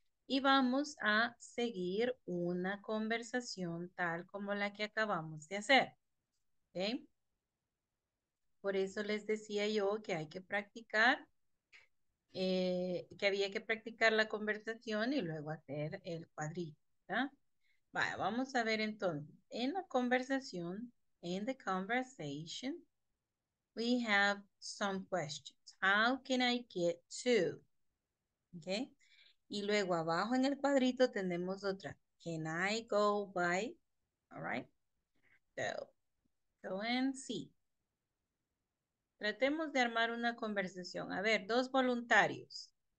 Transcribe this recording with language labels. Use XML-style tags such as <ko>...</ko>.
<es>Y vamos a seguir una conversación tal como la que acabamos de hacer. Okay? Por eso les decía yo que hay que practicar, que había que practicar la conversación y luego hacer el cuadrito. ¿Verdad? Vaya, vamos a ver entonces.</es> <en>In the conversation, in the conversation, we have some questions. How can I get to? Okay.</en> <es>Y luego abajo en el cuadrito tenemos otra.</es> <en>Can I go by? All right. So, go and see.</en> <es>Tratemos de armar una conversación. A ver, dos voluntarios.</es>